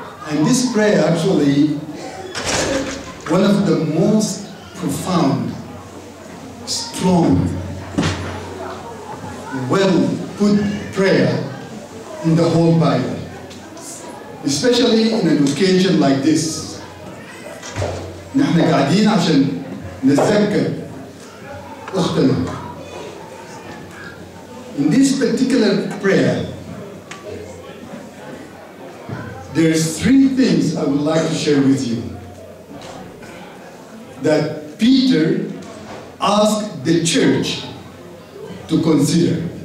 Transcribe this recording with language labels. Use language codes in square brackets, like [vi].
[en] And this prayer actually, one of the most profound, strong, well put prayer in the whole Bible. Especially in an occasion like this. [ar] نحن قاعدين عشان نتذكر أختنا. [en] In this particular prayer, there's three things I would like to share with you that Peter asked the church to consider.